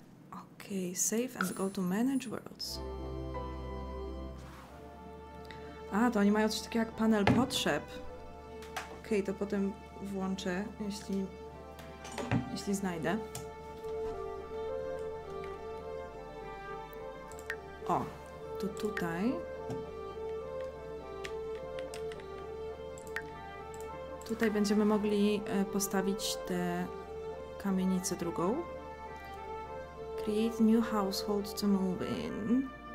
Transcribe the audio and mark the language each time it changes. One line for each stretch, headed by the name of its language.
English: Okej, okay, save and go to manage worlds.
Polish: A, to oni mają coś takiego jak panel potrzeb. Okej, okay, to potem włączę, jeśli znajdę. O, to tutaj. Tutaj będziemy mogli postawić tę kamienicę drugą.
English: Create new household to move in.